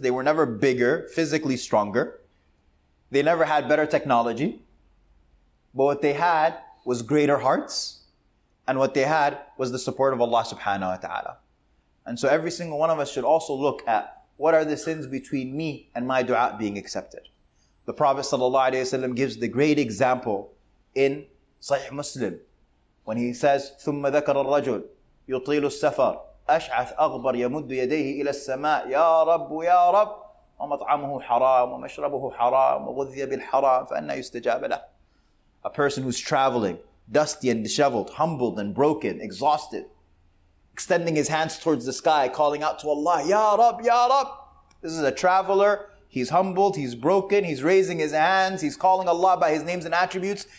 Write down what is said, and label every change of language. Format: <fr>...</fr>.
<en>They were never bigger, physically stronger. They never had better technology. But what they had was greater hearts. And what they had was the support of Allah subhanahu wa ta'ala. And so every single one of us should also look at what are the sins between me and my dua being accepted. The Prophet sallallahu alayhi wa sallam gives the great example in Sahih Muslim, when he says,</en> <ar>ثُمَّ ذَكَرَ الرَّجُلُ يُطِيلُ السَّفَرُ أَشْعَثْ أَغْبَرْ يَمُدُّ يَدَيْهِ إِلَى السَّمَاءِ يَا رَبُّ يَا رَبُّ وَمَطْعَمُهُ حَرَامُ وَمَشْرَبُهُ حَرَامُ وَغُذِّيَ بِالْحَرَامُ فَأَنَّا يُسْتَجَابَ لَهُ.</ar> <en>A person who's traveling, dusty and disheveled, humbled and broken, exhausted, extending his hands towards the sky, calling out to Allah, Ya Rab, Ya Rab. This is a traveler. He's humbled, he's broken, he's raising his hands, he's calling Allah by his names and attributes.</en>